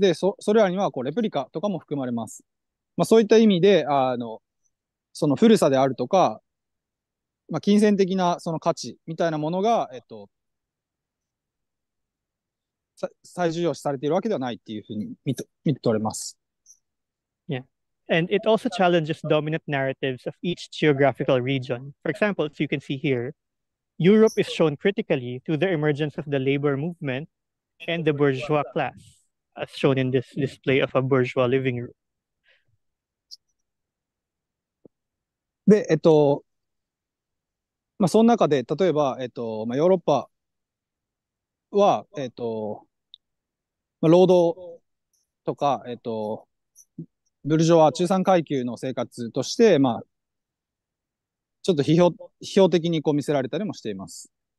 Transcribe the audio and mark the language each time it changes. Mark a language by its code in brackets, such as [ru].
[ja] で、それらにはこうレプリカとかも含まれます。まあ、そういった意味で、その古さであるとか、まあ、金銭的なその価値みたいなものが、最重要視されているわけではないっていうふうに見て取れます。 [en] Yeah. And it also challenges dominant narratives of each geographical region. For example, as you can see here,Europe is shown critically through the emergence of the labor movement and the bourgeois class, as shown in this display of a bourgeois living room. [ja] で、まあ、その中で、例えば、まあ、ヨーロッパは、まあ、労働とか、ブルジョア中産階級の生活として、まあちょっと批評的にこう見せられたりもしています。